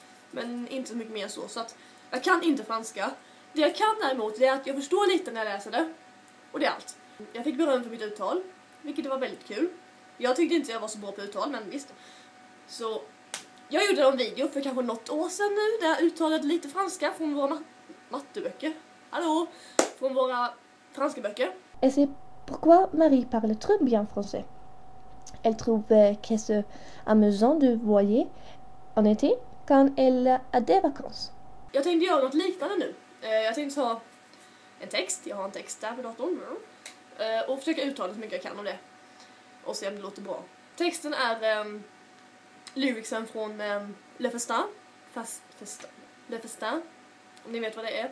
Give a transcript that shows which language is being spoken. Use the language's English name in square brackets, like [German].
[Swedish] Men inte så mycket mer så. Så att jag kan inte franska. Det jag kan däremot är att jag förstår lite när jag läser det. Och det är allt. Jag fick beröm för mitt uttal, vilket var väldigt kul. Jag tyckte inte jag var så bra på uttal, men visst. Så jag gjorde en video för kanske något år sedan nu där jag uttalade lite franska från våra matteböcker. Hallå! Från våra franska böcker. [French] Et c'est pourquoi Marie parle très bien français. Elle trouve que c'est amusant de voyager en été quand elle a des vacances. [Swedish] Jag tänkte göra något liknande nu. Jag tänkte ha en text. Jag har en text där på datorn. Och försöka uttala så mycket jag kan om det. Och se om det låter bra. Texten är lyricsen från Le Festin. Le Festin. Om ni vet vad det är.